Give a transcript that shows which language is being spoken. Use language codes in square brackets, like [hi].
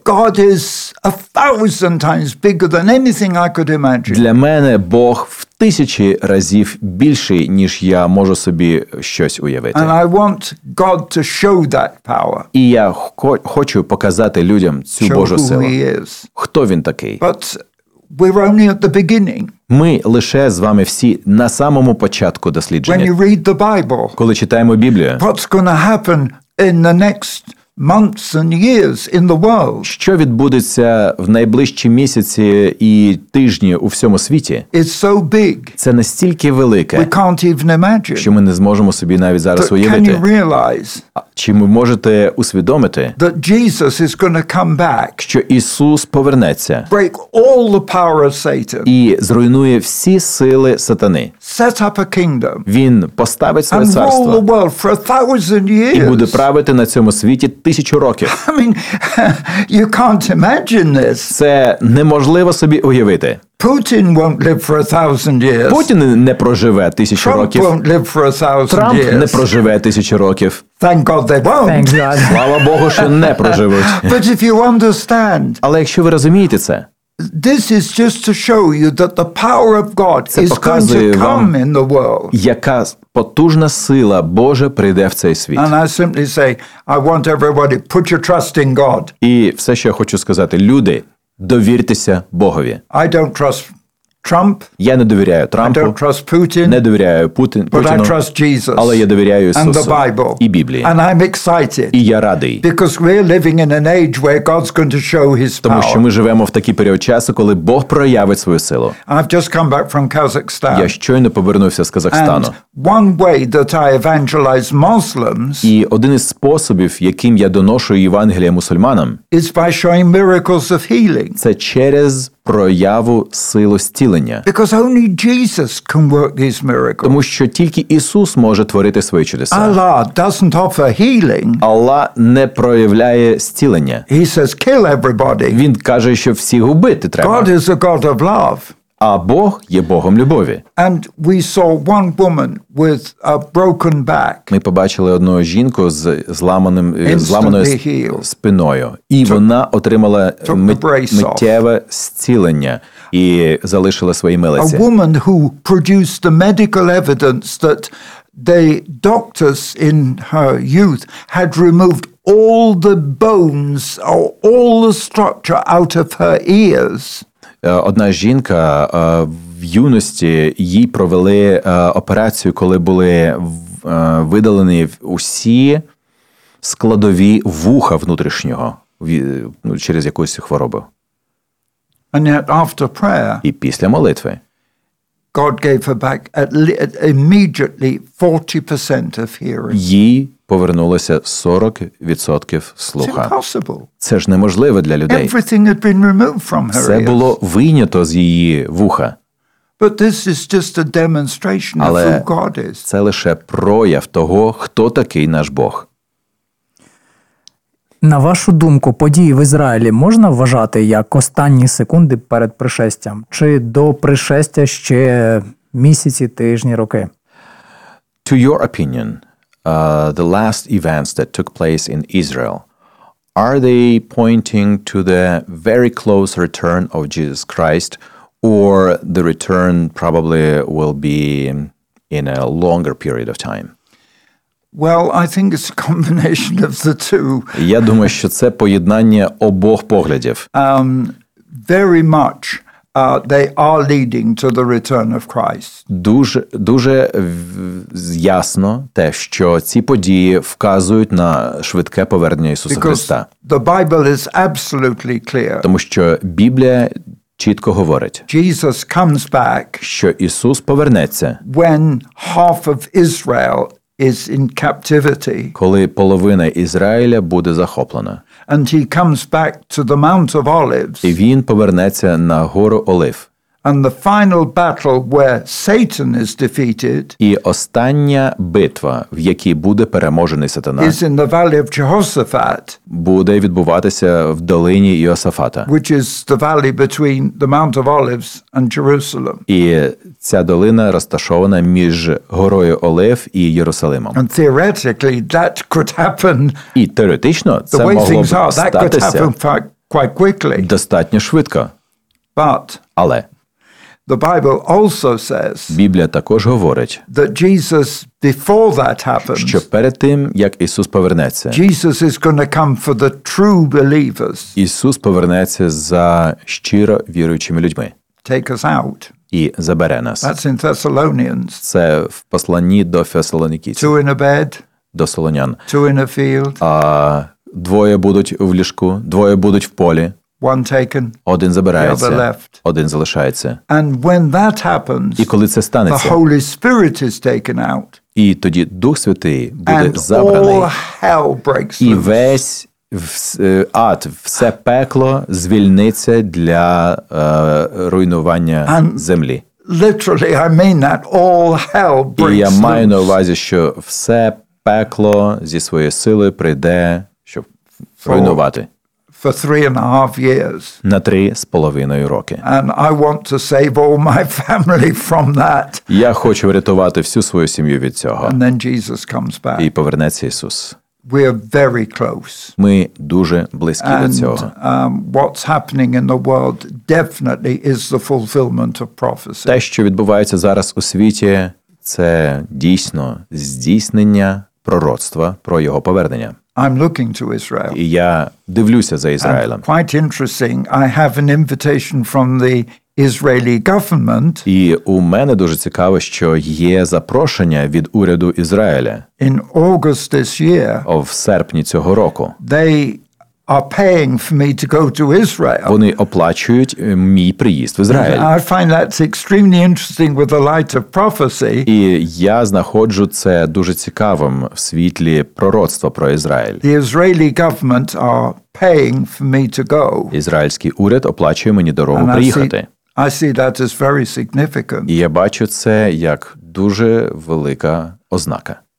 [en] God is a thousand times bigger than anything I could imagine. [uk] Для мене Бог в тисячі разів більший, ніж я можу собі щось уявити. [en] And I want God to show that power. [uk] І я хочу показати людям цю Божу силу. Хто він такий? [en] But we're only at the beginning. [uk] Ми лише з вами всі на самому початку дослідження. [en] When you read the Bible. [uk] Коли читаємо Біблію. [en] What's going to happen in the next months and years in the world? [uk] Що відбудеться в найближчі місяці і тижні у всьому світі? [en] It's so big. [uk] Це настільки велике. [en] We can't even imagine. [uk] Що ми не зможемо собі навіть зараз уявити. [en] Can you realize? [uk] Чи ви можете усвідомити? [en] That Jesus is going to come back. [uk] Що Ісус повернеться. [en] Break all the power of Satan. [uk] І зруйнує всі сили сатани. [en] Set up a kingdom. [uk] Він поставить своє царство. [en] And rule the world for a thousand years. [uk] І буде правити на цьому світі тисячу років. [en] I mean, you can't imagine this. [uk] Це неможливо собі уявити. [en] Putin won't live for a thousand years. [uk] Путін не проживе тисячу [en] Trump [uk] років. [en] Won't live for a thousand [uk] Трамп [en] years. [uk] Не проживе тисячу років. [en] Thank God they won't. [uk] Слава Богу, що не проживуть. [en] But if you understand. [uk] Але якщо ви розумієте це. [en] This is just to show you that the power of God is going to come in the world. [uk] Яка потужна сила Божа прийде в цей світ. [en] And I simply say, I want everybody put your trust in God. [uk] І все, що я хочу сказати, люди, довіртеся Богові. [en] I don't trust Trump. [uk] Я не довіряю Трампу. [en] I don't trust Putin. [uk] Не довіряю Путіну. [en] But I trust Jesus. [uk] Але я довіряю Ісусу. [en] And the Bible. [uk] І Біблії. [en] And I'm excited. [uk] І я радий. [en] Because we're living in an age where God's going to show his power. [uk] Тому що ми живемо в такий період часу, коли Бог проявить свою силу. [en] I've just come back from Kazakhstan. [uk] Я щойно повернувся з Казахстану. [en] And one way that I evangelize Muslims. [uk] І один із способів, яким я доношу Євангеліє мусульманам. [en] Is by showing miracles of healing. [uk] Це через прояву силу зцілення. [en] Because only Jesus can work these miracles. [uk] Тому що тільки Ісус може творити свої чудеса. [en] Allah doesn't offer healing. [uk] Аллах не проявляє зцілення. [en] He says kill everybody. [uk] Він каже, що всіх убити треба. [en] God is a God of love. [uk] А Бог є Богом любові. [en] And we saw one woman with a broken back. [uk] Ми побачили одну жінку з зламаною спиною. І вона отримала миттєве зцілення і залишила свої милиці. [en] A woman who produced the medical evidence that the doctors in her youth had removed all the bones or all the structure out of her ears. [uk] Одна жінка в юності їй провели операцію, коли були видалені усі складові вуха внутрішнього через якусь хворобу. [en] And yet after prayer, [uk] і після молитви [en] God gave her back immediately 40% of hearing. [uk] Їй повернулося 40% слуха. [en] It's impossible. [uk] Це ж неможливо для людей. [en] Everything had been removed from her. [uk] Все було вийнято з її вуха. [en] But this is just a demonstration [uk] Але [en] of who God is. [uk] Це лише прояв того, хто такий наш Бог. На вашу думку, події в Ізраїлі можна вважати як останні секунди перед пришестям? Чи до пришестя ще місяці, тижні, роки? [en] To your opinion, the last events that took place in Israel, are they pointing to the very close return of Jesus Christ, or the return probably will be in a longer period of time? Well, I think it's a combination of the two. [uk] Я думаю, що це поєднання обох поглядів. [en] Very much they are leading to the return of Christ. [uk] Дуже ясно те, що ці події вказують на швидке повернення Ісуса [en] Because [uk] Христа. [en] The Bible is absolutely clear. [uk] Тому що Біблія чітко говорить, [en] Jesus comes back, [uk] що Ісус повернеться, [en] when half of Israel is in captivity. [uk] Коли половина Ізраїля буде захоплена. [en] And he comes back to the Mount of Olives. [uk] І він повернеться на гору Олив. [en] And the final battle where Satan is defeated. [uk] І остання битва, в якій буде переможений сатана. [en] Is in the valley of Jehoshaphat. [uk] Буде відбуватися в долині Йосафата. [en] Which is the valley between the Mount of Olives and Jerusalem. [uk] І ця долина розташована між горою Олив і Єрусалимом. [en] And theoretically that could happen. [uk] І теоретично це могло б статися. [en] The way things are, that could happen quite quickly. [uk] Достатньо швидко. [en] But. [uk] Але. [en] The Bible also says [uk] Біблія також говорить, [en] that Jesus before that happens, [uk] що перед тим, як Ісус повернеться, [en] Jesus is going to come for the true believers. [uk] Ісус повернеться за щиро віруючими людьми. [en] Take us out. [uk] І забере нас. [en] That's in Thessalonians. [uk] Це в посланні до Фесалонікійців. [en] Two in a bed. [uk] До солонян. [en] Two in a field. [uk] А двоє будуть в ліжку, двоє будуть в полі. [en] One taken, [uk] один забирається, [en] the other left. [uk] Один залишається. [en] And when that happens, [uk] і коли це станеться, [en] the Holy Spirit is taken out, [uk] і тоді Дух Святий буде [en] and [uk] забраний, [en] all hell breaks [uk] і весь ад, все пекло звільниться для руйнування [en] and [uk] землі. [en] Literally, I mean that all hell breaks [uk] і я маю на увазі, що все пекло зі своєї сили прийде, щоб руйнувати. [en] For 3.5 years. [uk] На 3.5 роки. [en] And I want to save all my family from that. [uk] Я хочу врятувати всю свою сім'ю від цього. [en] And then Jesus comes back. [uk] І повернеться Ісус. [en] We are very close. [uk] Ми дуже близькі [en] and, [uk] до цього. [en] What's happening in the world definitely is the fulfillment of prophecy. [uk] Те, що відбувається зараз у світі, це дійсно здійснення пророцтва про його повернення. [en] I'm looking to Israel. [uk] І я дивлюся за Ізраїлем. [en] And quite interesting, I have an invitation from the Israeli government. [uk] І у мене дуже цікаво, що є запрошення від уряду Ізраїля. [en] In August this year. [uk] В серпні цього року. [en] They are paying for me to go to Israel. [uk] Вони оплачують мій приїзд в Ізраїль. [en] I find that extremely interesting with the light of prophecy. [uk] І я знаходжу це дуже цікавим в світлі пророцтва про Ізраїль. [en] The Israeli government are paying for me to go. [uk] Ізраїльський уряд оплачує мені дорогу приїхати. [en] I see that as very significant. [uk] І я бачу це як дуже велика ознака.